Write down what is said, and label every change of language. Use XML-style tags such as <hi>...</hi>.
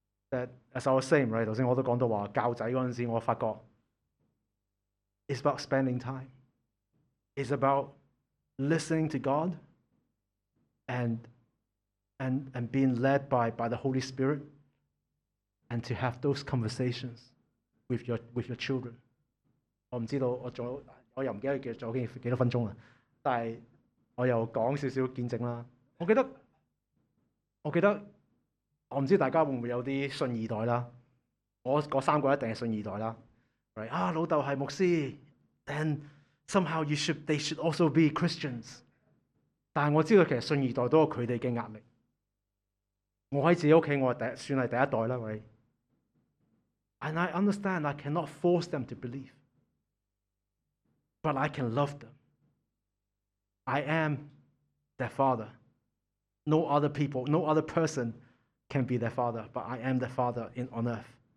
<en>That as I was saying, right?</en> <yue>頭先我都講到話教仔嗰陣時，我發覺</yue> <en>it's about spending time. It's about listening to God and being led by the Holy Spirit and to have those conversations with your children.</en> <yue>我唔知道我又唔記得幾咗幾多分鐘啦，但係我又講少少見證啦。我記得，我唔知大家會唔會有啲信二代啦。我嗰三個一定係信二代啦。</yue> <en>Right?</en> <yue>啊，老豆係牧師 ，then。</yue> <en>Somehow they should also be Christians.</en> <yue>但我知道其實信二代都有佢哋嘅壓力。我喺自己屋企，我算係第一代啦，喂。</yue> <en>And I understand I cannot force them to believe, but I can love them. I am their father. No other people, no other person can be their father, but I am their father on earth.</en>